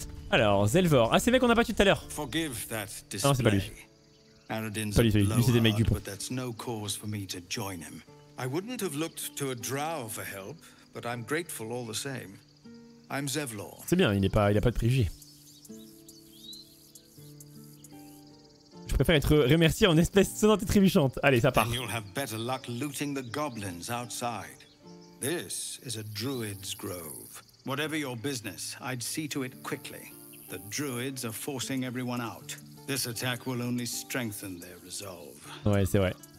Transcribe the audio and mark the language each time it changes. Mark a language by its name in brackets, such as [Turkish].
[French] Alors, Zelvor. Ah, c'est le mec qu'on a battu tout à l'heure. [English] Forgive that display. [French] Non, c'est pas lui. Pas lui, c'est lui. Lui, c'est des mecs du pont. [English] That's no cause for me to join him. I wouldn't have looked to a drow for help, but I'm grateful all the same. I'm Zevlor. [French] C'est bien, il a pas de préjugés. Je préfère être remercié en espèces sonnantes et trébuchantes. Allez, ça part. [English] Then you'll have better luck looting the goblins outside. This is a druid's grove. Whatever your business, I'd see to it quickly. The druids are forcing everyone out. This attack will only strengthen their resolve. [French] Ouais, c'est vrai.